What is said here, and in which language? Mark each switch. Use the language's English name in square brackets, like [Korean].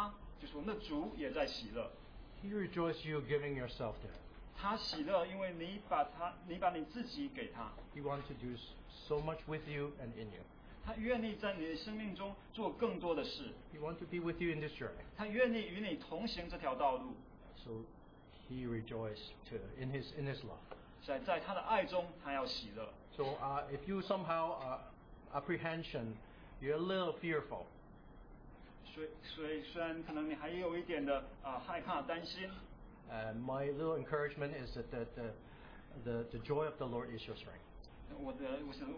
[Chinese] 我就是想提醒大家，他就说那主也在喜乐。 [English] He rejoiced you giving yourself to him. [Chinese] 他喜乐，因为你把他，你把你自己给他。 [English] He wants to do so much with you and in you. [Chinese] 他愿意在你的生命中做更多的事。 [English] He wants to be with you in this journey. [Chinese] 他愿意与你同行这条道路。 [English] So he rejoiced to in his love. [Chinese] 在他的爱中，他要喜乐。 [English] So if you somehow apprehension, you're a little fearful. [Chinese] 所以虽然可能你还有一点的 害怕担心。 [English] My little encouragement is that the joy of the Lord is your strength.